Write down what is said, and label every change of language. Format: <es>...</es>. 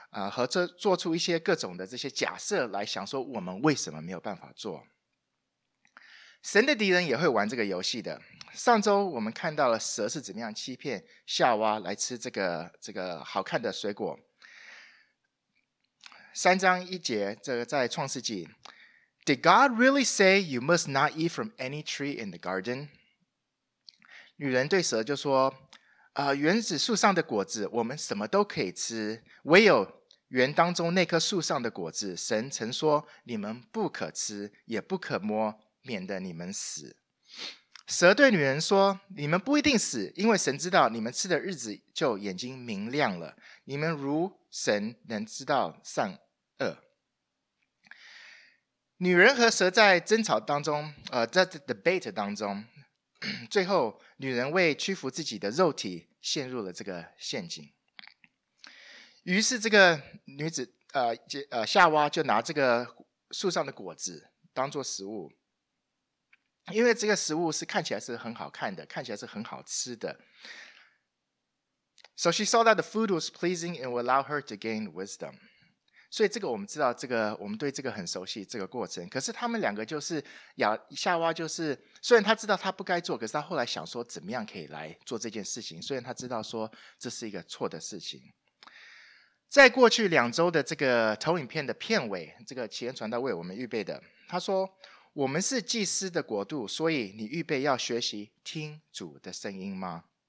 <zh>和这做出一些各种的这些假设来想说我们为什么没有办法做。神的敌人也会玩这个游戏的。上周我们看到了蛇是怎么样欺骗夏娃来吃这个好看的水果。三章一节，这个在创世纪。</zh> <en>Did God really say you must not eat from any tree in the garden?</en> <zh>女人对蛇就说原子树上的果子我们什么都可以吃，唯有园当中那棵树上的果子神曾说你们不可吃也不可摸，免得你们死。蛇对女人说，你们不一定死，因为神知道你们吃的日子就眼睛明亮了，你们如神能知道善恶。女人和蛇在争吵当中在 debate 当中，最后女人为屈服自己的肉体陷入了这个陷阱。于是这个女子夏娃就拿这个树上的果子当做食物，因为这个食物是看起来是很好看的，看起来是很好吃的。</zh> <en>So she saw that the food was pleasing and would allow her to gain wisdom.</en> <zh>所以这个我们知道，这个我们对这个很熟悉这个过程。可是他们两个就是夏娃，就是虽然他知道他不该做，可是他后来想说怎么样可以来做这件事情，虽然他知道说这是一个错的事情。在过去两周的这个投影片的片尾，这个启恩传道为我们预备的，他说我们是祭司的国度，所以你预备要学习听主的声音吗？</zh>